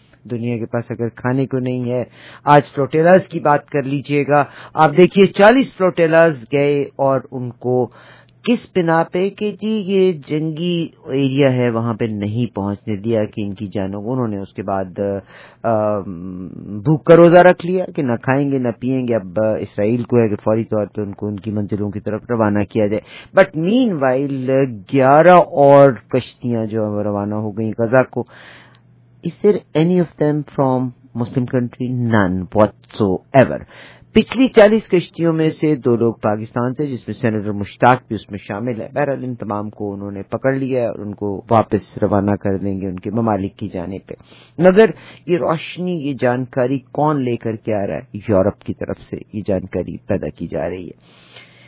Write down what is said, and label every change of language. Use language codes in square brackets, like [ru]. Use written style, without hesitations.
[ur] دنیا کے پاس اگر کھانے کو نہیں ہے, آج فلوٹیلاز کی بات کر لیجئے گا, آپ دیکھیے 40 فلوٹیلاز گئے اور ان کو کس بنا پہ کہ جی یہ جنگی ایریا ہے وہاں پہ نہیں پہنچنے دیا کہ ان کی جانوں, انہوں نے اس کے بعد بھوک کا روزہ رکھ لیا کہ نہ کھائیں گے نہ پئیں گے. اب اسرائیل کو ہے کہ فوری طور پہ ان کو ان کی منزلوں کی طرف روانہ کیا جائے. [en] but meanwhile [ur] 11 اور کشتیاں جو روانہ ہو گئیں غزہ کو. [en] Is there any of them from Muslim country? None whatsoever. [ur] پچھلی 40 کشتیوں میں سے دو لوگ پاکستان سے, جس میں سینیٹر مشتاق بھی اس میں شامل ہے. بہرحال ان تمام کو انہوں نے پکڑ لیا ہے اور ان کو واپس روانہ کر دیں گے ان کے ممالک کی جانے پہ. مگر یہ روشنی, یہ جانکاری کون لے کر کے آ رہا ہے؟ یورپ کی طرف سے یہ جانکاری پیدا کی جا رہی ہے.